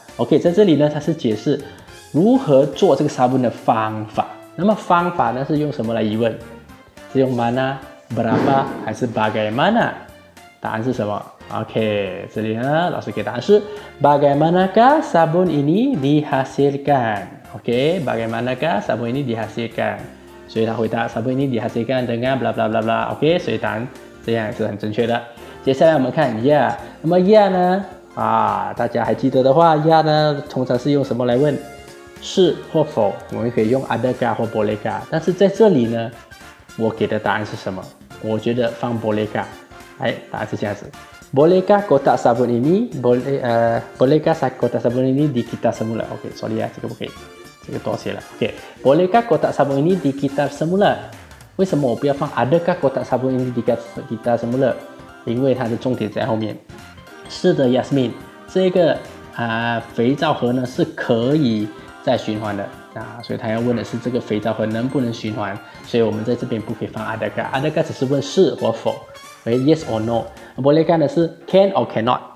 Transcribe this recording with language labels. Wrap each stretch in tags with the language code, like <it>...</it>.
<zh>OK, 在这里呢它是解释如何做这个 sabun 的方法。那么方法呢是用什么来疑问？是用 mana, berapa, 还是 bagaimana? 答案是什么？ OK, 这里呢老师给答案是</zh> <ms>bagaimanakah sabun ini dihasilkan? OK, bagaimanakah sabun ini dihasilkan?</ms> <zh>所以他回答</zh> <ms>sabun ini dihasilkan dengan blah blah blah blah.</ms> <zh>OK, 所以答案这样是很正确的。接下来我们看 yeah, 那么 yeah 呢啊，大家还记得的话，鸭呢通常是用什么来问？是或否，我们可以用 adakah 或 bolehkah。但是在这里呢，我给的答案是什么？我觉得放 bolehkah。哎，答案是这样子。</zh> <ms>Bolehkah kotak sabun ini? Bolehkah kotak sabun ini dikitar semula? Okay, sorry ya, cakap okay. Cakap tua saya lah. Okay. Bolehkah kotak sabun ini dikitar semula?</ms> <zh>为什么我不要放</zh> <ms>adakah kotak sabun ini dikitar semula?</ms> <zh>因为它的重点在后面。是的 ,Yasmin, 这个、肥皂盒呢是可以再循环的。那所以他要问的是这个肥皂盒能不能循环。所以我们在这边不可以放 adakah。 adakah 只是问是或否。Okay,</zh> <en>yes or no.</en> <zh>Bolehkah 呢是</zh> <en>can or cannot.</en>